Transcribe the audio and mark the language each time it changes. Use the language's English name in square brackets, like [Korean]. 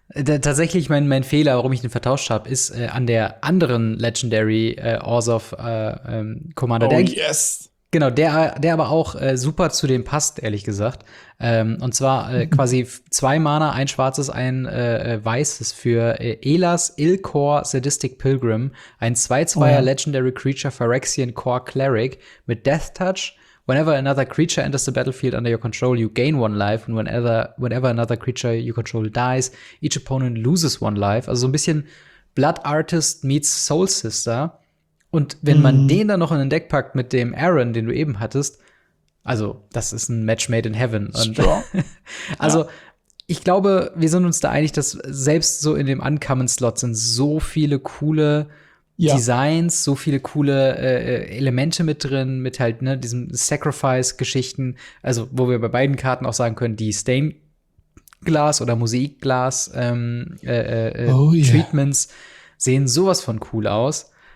[German] Tatsächlich, mein Fehler, warum ich den vertauscht habe, ist an der anderen Legendary Orzhov Commander. Genau, der aber auch super zu dem passt, ehrlich gesagt. Und zwar quasi 2 Mana, ein schwarzes, ein weißes für Elas Ilkor Sadistic Pilgrim. Ein 2/2er Legendary Creature Phyrexian Core Cleric mit Death Touch. [English] Whenever another creature enters the battlefield under your control, you gain one life. And whenever another creature you control dies, each opponent loses one life. [German] Also so ein bisschen Blood Artist meets Soul Sister. Und wenn man den dann noch in den Deck packt mit dem Aaron, den du eben hattest, also das ist ein [English] Match made in heaven. [German] Und also ich glaube, wir sind uns da einig, dass selbst so in dem Uncommon-Slot sind so viele coole Designs, so viele coole Elemente mit drin, mit halt ne, diesen Sacrifice-Geschichten, also wo wir bei beiden Karten auch sagen können, die Stained-Glass oder Mosaik-Glass Treatments sehen sowas von cool aus.